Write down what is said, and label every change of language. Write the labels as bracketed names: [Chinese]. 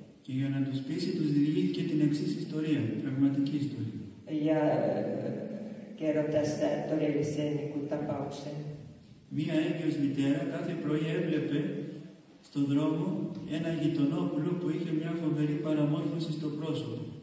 [Greek] Και για να τους πείσει, τους διηγήθηκε την εξής ιστορία, πραγματική ιστορία. [Finnish] Ja kerro tässä todellisen tapauksen. [Greek] Μία έγκυος μητέρα κάθε πρωί έβλεπε στον δρόμο ένα γειτονό πουλό που είχε μια φοβερή παραμόρφωση στο πρόσωπο.